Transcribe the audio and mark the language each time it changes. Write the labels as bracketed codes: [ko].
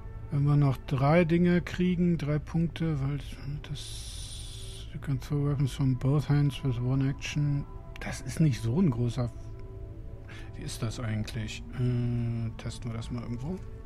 [de] Wenn wir noch drei Dinge kriegen, drei Punkte, weil das... [en] You can throw weapons from both hands with one action. [de] Das ist nicht so ein großer... Wie ist das eigentlich? Testen wir das mal irgendwo.